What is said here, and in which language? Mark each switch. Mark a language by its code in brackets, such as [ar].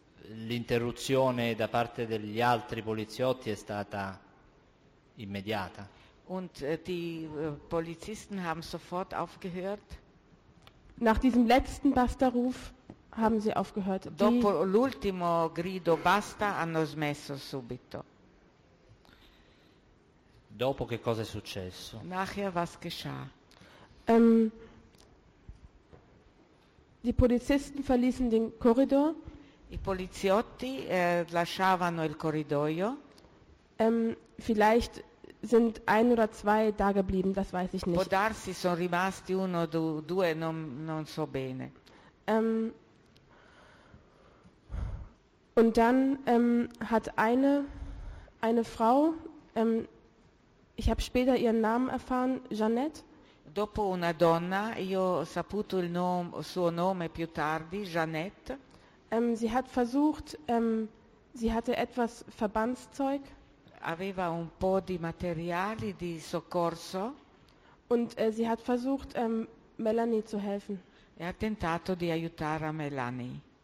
[it] L'interruzione da parte degli altri poliziotti è stata immediata. [de] Und die Polizisten haben sofort aufgehört. Nach diesem letzten Basta-Ruf haben sie aufgehört. [it] Dopo l'ultimo grido basta hanno smesso subito. Dopo che cosa è successo? [de] Nachher was geschah? Die Polizisten verließen den Korridor. [it] I poliziotti lasciavano il corridoio. [de] Vielleicht sind ein oder zwei da geblieben, das weiß ich nicht. [it] Può darsi sono rimasti uno o due, non so bene. [de] Und dann hat eine Frau, ich habe später ihren Namen erfahren, Jeanette. [it] Dopo una donna, io ho saputo il suo nome più tardi, Jeanette. [de] Sie hat versucht, sie hatte etwas Verbandszeug. [it] Aveva un po' di materiali di soccorso. [de] Und sie hat versucht, Melanie zu helfen. [it] E ha tentato di aiutare a Melanie.